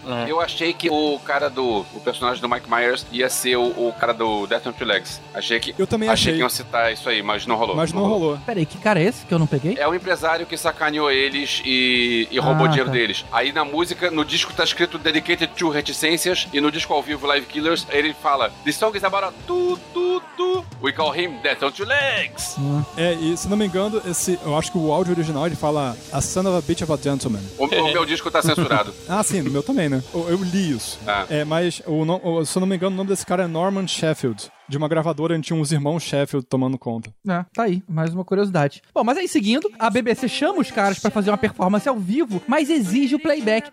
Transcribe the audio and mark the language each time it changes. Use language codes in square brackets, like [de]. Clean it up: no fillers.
[pt] É. Eu achei que o cara do... o personagem do Mike Myers ia ser o cara do Death on Two Legs. Achei que... Eu também achei que iam citar isso aí, mas não rolou. Mas não rolou. Peraí, que cara é esse que eu não peguei? É o empresário que sacaneou eles e roubou dinheiro deles. Aí na música, no disco tá escrito Dedicated to Reticências, e no disco ao vivo Live Killers, ele fala: [en] "This song is about a tu-tu-tu. We call him Death on Two Legs." [pt] É, e se não me engano, eu acho que o áudio original, ele fala [en] "A son of a bitch of a gentleman." [pt] O meu disco tá censurado. Ah, sim, o meu também, né? Eu li isso. Ah. É, mas se eu não me engano, o nome desse cara é Norman Sheffield. De uma gravadora, a gente tinha uns irmãos Sheffield tomando conta. É, tá aí, mais uma curiosidade. Bom, mas aí seguindo, a BBC chama os caras pra fazer uma performance ao vivo, mas exige o playback.